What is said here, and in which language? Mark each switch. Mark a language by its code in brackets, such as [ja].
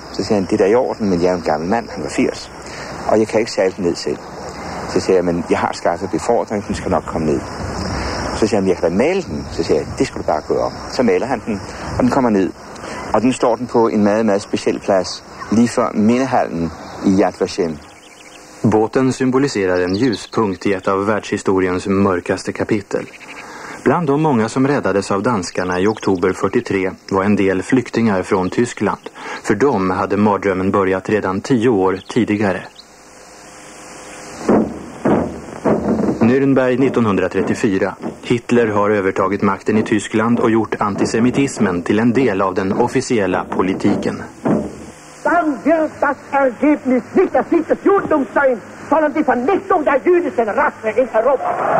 [da] Så siger han, det er i orden, men jeg er en gammel mand, han var 80, og jeg kan ikke sejle den ned selv. Så siger jeg, men jeg har skaffet befordring, den skal nok komme ned. Så siger han, jeg kan da male den. Så siger jeg, det skal du bare gå om. Så maler han den, og den kommer ned. Og den står den på en meget, meget speciel plads, lige før mindehallen i Yad Vashem. [sv] Båten symboliserar en ljuspunkt i ett av världshistoriens mörkaste kapitel. Bland de många som räddades av danskarna i oktober 43 var en del flyktingar från Tyskland. För dem hade mardrömmen börjat redan 10 år tidigare. Nürnberg 1934. Hitler har övertagit makten i Tyskland och gjort antisemitismen till en del av den officiella politiken. [de] Wird das Ergebnis nicht der Sieg des Judentums sein, sondern die Vernichtung der jüdischen Rasse in Europa.